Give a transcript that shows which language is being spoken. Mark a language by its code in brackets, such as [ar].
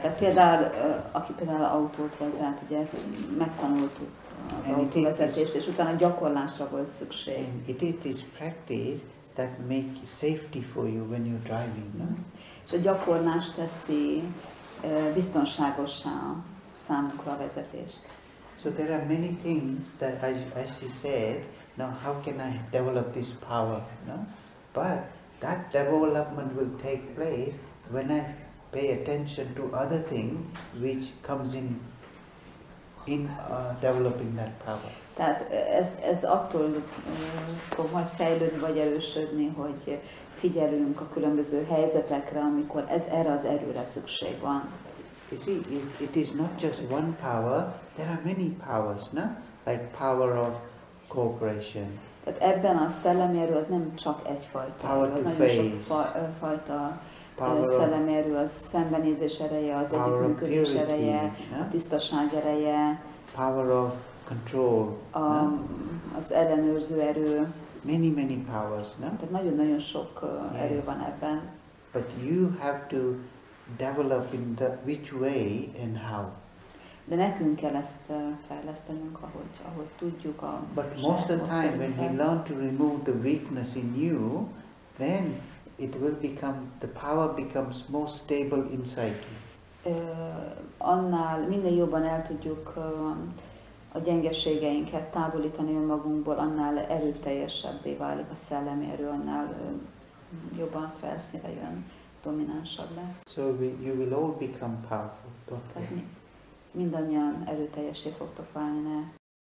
[hu] Tehát például aki például autót vezet, ugye megtanultuk az autóvezetést, és utána gyakorlásra volt szükség. [en] And it is this practice that makes safety for you when you're driving, no? [hu] És a gyakorlás teszi biztonságossá számukra a vezetést. [en] So there are many things that, as she said, now how can I develop this power, no? But that development will take place when I pay attention to other things which comes in in developing that power. [hu] Tehát ez attól fog majd fejlődni vagy erősödni, hogy figyelünk a különböző helyzetekre, amikor ez erre az erőre szükség van. [en] You see, it is not just one power, there are many powers, no? Like power of cooperation. [hu] Tehát ebben a szellemi erő az nem csak egyfajta, [en] power [hu] az nagyon sokfajta szellemi erő, az szembenézés ereje, az együttműködés ereje, a tisztaság ereje, [en] power of control, [hu] az ellenőrző erő. [en] Many, many powers, no? [hu] Tehát nagyon-nagyon sok erő van ebben. [en] But you have to develop in the which way and how. [hu] De nekünk kell ezt fejlesztenünk, ahogy tudjuk a. [en] But most of the time when we learn to remove the weakness in you, then it will become the power becomes more stable inside you. [hu] Annál minden jobban el tudjuk a gyengeségeinket távolítani önmagunkból, annál erőteljesebbé válik a szellemi erő, annál jobban felszínre jön, dominánsabb lesz. [en] So you will all become powerful. [hu] Mindannyian erőteljessé fogtok válni, ne